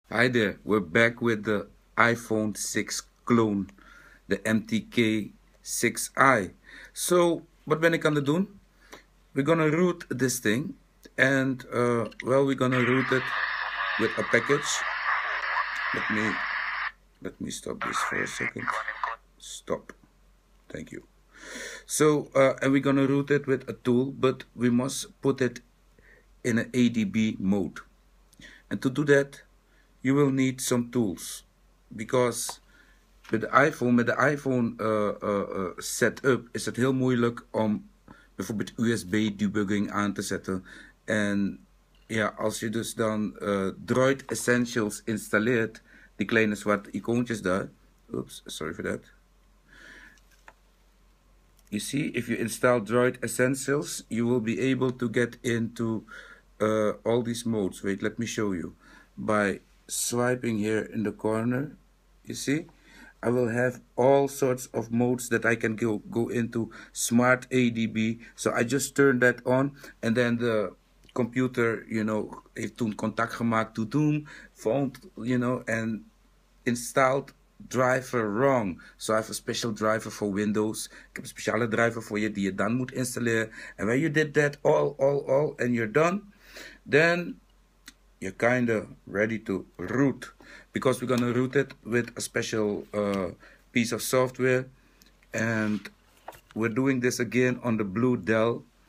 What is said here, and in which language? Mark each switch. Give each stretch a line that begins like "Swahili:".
English: Hi there, we're back with the iPhone 6 clone, the MTK 6i. So, what
Dutch: ben ik aan het doen?
English: We're gonna root this thing, and we're gonna root it with a package. Let me stop this for a second. Stop. Thank you. So, and we're gonna root it with a tool, but we must put it in an ADB mode. And to do that, you will need some tools, because with the iPhone setup
Dutch: is het heel moeilijk om bijvoorbeeld USB debugging aan te zetten. En ja, als je dus dan Droid Essentials installeert, die kleine zwarte icoontjes daar.
English: Oops, sorry for that. You see, if you install Droid Essentials, you will be able to get into all these modes. Wait, let me show you. By swiping here in the corner, you see, I will have all sorts of modes that I can go into. Smart ADB, so I just turn that on, and then the computer, you know,
Dutch: heeft toen contact gemaakt
English: to Doom phone, you know, and installed driver wrong. So I have a special driver for Windows.
Dutch: Ik heb een speciale driver voor je die je dan moet installeren.
English: And when you did that all and you're done, then you're kind of ready to root, because we're gonna root it with a special piece of software, and we're doing this again on the blue Dell.